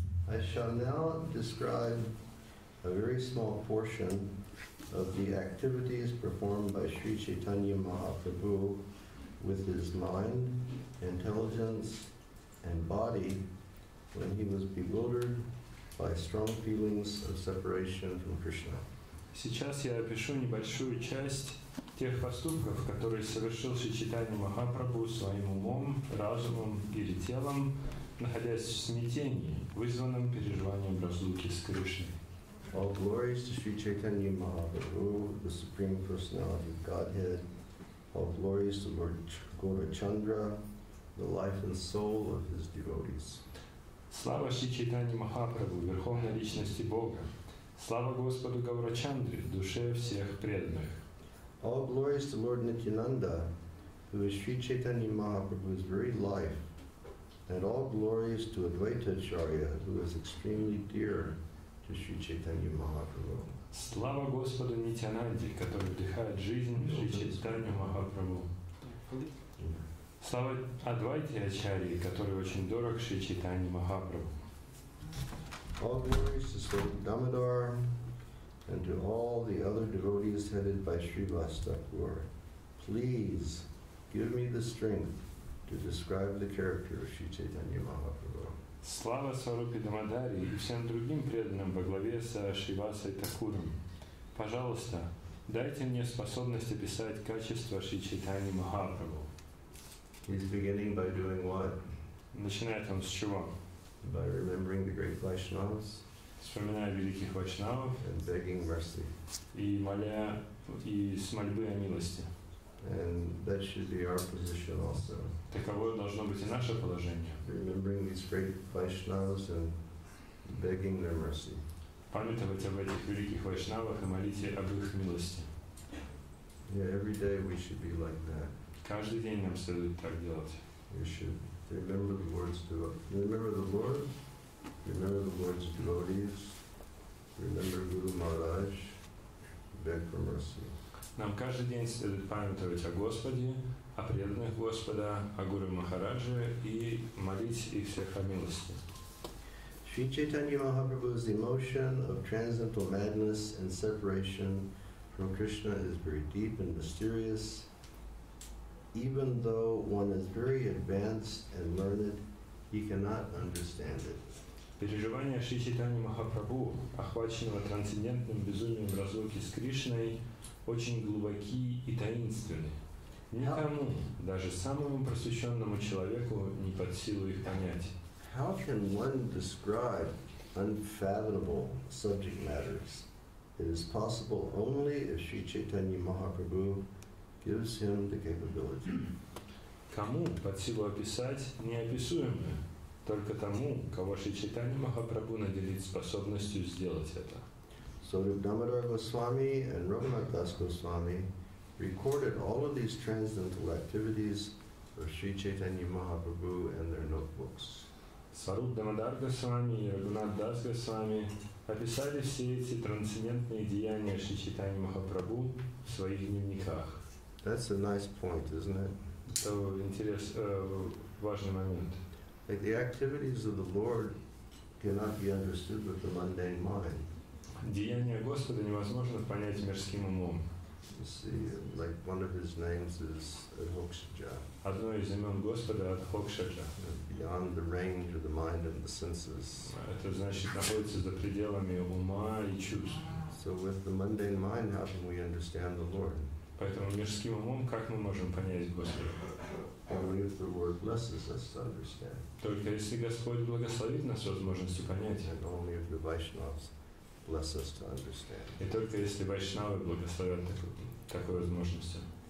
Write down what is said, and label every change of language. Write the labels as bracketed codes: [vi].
[en] I shall now describe a very small portion of the activities performed by Sri Chaitanya Mahaprabhu with his mind, intelligence, and body when he was bewildered by strong feelings of separation from Krishna. [ru] Сейчас я опишу небольшую часть тех поступков, которые совершил Шри Чайтанья Махапрабху своим умом, разумом или телом, находясь в смятении, вызванном переживанием разлуки с Кришной. [en] All glories to Sri Chaitanya Mahaprabhu, the Supreme Personality of Godhead. All glories to Lord Govachandra, the life and soul of his devotees. [ru] Слава Шри Чайтанья Махапрабху, Верховной Личности Бога. Слава Господу Говачандре, душе всех преданных. [en] All glories to Lord Nityananda, who is Sri Chaitanya Mahaprabhu's very life. And all glories to Advaita Acharya, who is extremely dear to Sri Chaitanya Mahaprabhu. [ru] Слава Господу Нитянанде, который вдыхает жизнь в Шри Чайтанью Махапрабху. Слава Адвайте Ачарье, который очень дорог Шри Чайтанью Махапрабху. [en] All glories to Swami Damodar and to all the other devotees headed by Sri Vastakur. Please give me the strength to describe the character of Sri Chaitanya Mahaprabhu. [ru] Слава Сварупе Дамодаре и всем другим преданным во главе со Шривасой Такуром. Пожалуйста, дайте мне способность описать качество Шри Чайтаньи Махапрабху. [en] He's beginning by doing what? [ru] Начинает он с чего? [en] By remembering the great Vaishnavas. [ru] Вспоминая великих Вайшнавов. [en] And begging mercy. [ru] И моля, и с мольбы о милости. [en] And that should be our position also. [ru] Таково должно быть и наше положение. [en] Remembering these great Vaishnavas and begging their mercy. [ru] Памятовать об этих великих Вайшнавах и молить об их милости. [en] Yeah, every day we should be like that. [ru] Каждый день нам следует так делать. [en] We should remember the words to remember the Lord, remember the Lord's devotees, remember Guru Maharaj, beg for mercy. [ru] Нам каждый день следует памятовать о Господе, о преданных Господа, о Гуру Махарадже и молить их всех о милости. [en] Sri Chaitanya Mahaprabhu's emotion of transcendental madness and separation from Krishna is very deep and mysterious. Even though one is very advanced and learned, he cannot understand it. [ru] Переживание Шри Чайтаньи Махапрабху, охваченного трансцендентным безумием в разлуке с Кришной, очень глубоки и таинственны. Никому, даже самому просвещенному человеку, не под силу их понять. [en] How can one describe unfathomable subject matters? It is possible only if Sri Chaitanya Mahaprabhu gives him the capability. [ru] Кому под силу описать неописуемое? Только тому, кого Шри Чайтанья Махапрабху наделит способностью сделать это. [en] So Damodar Goswami and Raghunath Das Goswami recorded all of these transcendental activities of Sri Chaitanya Mahaprabhu in their notebooks. [ru] Сварупа Дамодар Госвами и Рагунат Дас Госвами описали все эти трансцендентные деяния Шри Чайтаньи Махапрабху в своих дневниках. [en] That's a nice point, isn't it? [ru] Это важный момент. [en] Like the activities of the Lord cannot be understood with the mundane mind. [ru] Деяния Господа невозможно понять мирским умом. [en] Like one of his names is Adhokshaja. [ru] Одно из имен Господа – Адхокшаджа. [en] Beyond the range of the mind and the senses. [ru] Это значит, находится за пределами ума и чувств. [en] So with the mundane mind, how can we understand the Lord? [ru] Поэтому мирским умом как мы можем понять Господа? [en] Only if the Lord blesses us to understand. [ru] Только если Господь благословит нас возможностью понять. [en] And only if the Vaishnavas bless us to understand. [ru] И только если Вайшнавы благословят такой возможностью.